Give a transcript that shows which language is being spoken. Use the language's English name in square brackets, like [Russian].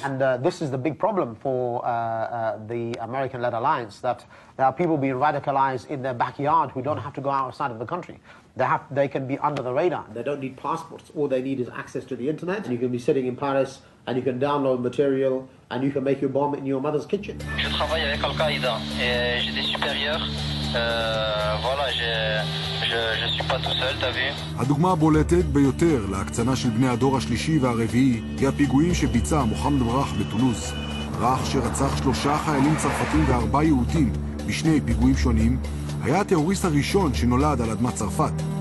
[English] And this is the big problem for the American-led alliance, that there are people being radicalized in their backyard who don't have to go outside of the country. They can be under the radar. They don't need passports. All they need is access to the internet. And you can be sitting in Paris, and you can download material, and you can make your bomb in your mother's kitchen. [French] Je travaille avec Al-Qaïda, et j'ai des supérieurs. Voilà, je suis pas tout seul, t'as vu. [Hebrew] הדוגמה הבולטת ביותר להקצנה של בני הדור השלישי והרביעי היא הפיגועים שביצע מוחמד ברח בטולוז. רח שרצח שלושה חיילים צרפתים וארבעה יהודים בשני פיגועים שונים, היה הטרוריסט הראשון שנולד על אדמת צרפת.